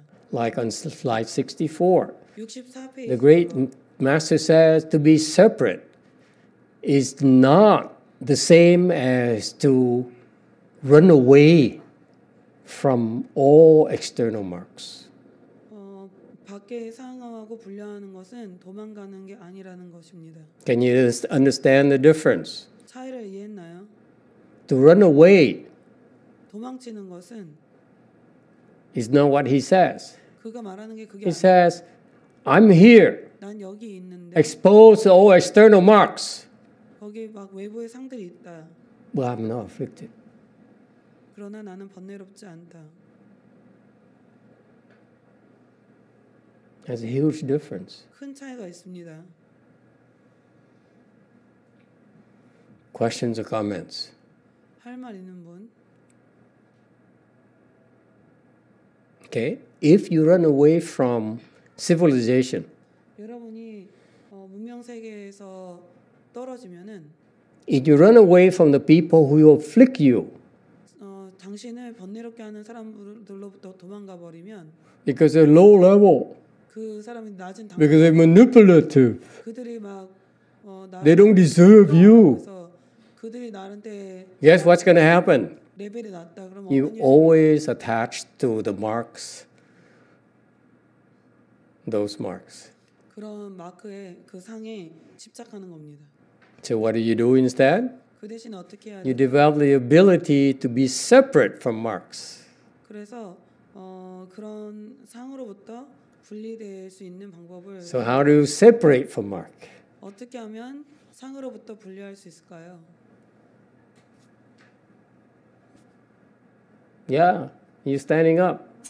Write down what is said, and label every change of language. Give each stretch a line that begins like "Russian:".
English: Like on slide 64, the great master says to be separate is not the same as to run away from all external marks.
Korean: 밖에 상황하고 분리하는 것은 도망가는 게 아니라는 것입니다.
English: Can you understand the difference?
Korean: 차이를 이해했나요?
English: To run away
Korean: 도망치는 것은
English: is not what he says.
Korean: 그가 말하는 게 그게
English: He says, I'm here.
Korean: 난 여기 있는데.
English: Expose all external marks.
Korean: 거기 막 외부의 상들이 있다.
English: But I'm not afflicted.
Korean: 그러나 나는 번뇌롭지 않다.
English: There's a huge difference.
Korean: 큰 차이가 있습니다.
English: Questions or comments?
Korean: 할 말 있는 분?
English: Okay. If you run away from civilization,
Korean: 여러분이 문명 세계에서 떨어지면은
English: if you run away from the people who afflict you,
Korean: 당신을 번뇌롭게 하는 사람들로부터 도망가 버리면
English: because they're low level,
Korean: 그 사람이 낮은
English: 당 because they're manipulative,
Korean: 그들이 막
English: they don't deserve you.
Korean: 그들이 나한테
English: guess what's going to happen?
Korean: 레벨이 낮다 그러면
English: you always attached to the marks. Those marks.
Korean: 그런 마크에 그 상에 집착하는 겁니다.
English: So what do you do instead?
Korean: 그 대신 어떻게 해야 돼?
English: You develop the ability to be separate from marks.
Korean: 그래서 그런 상으로부터 분리될 수 있는 방법을
English: So how do you separate from mark?
Korean: 어떻게 하면 상으로부터 분리할 수 있을까요?
English: Yeah, you're standing up.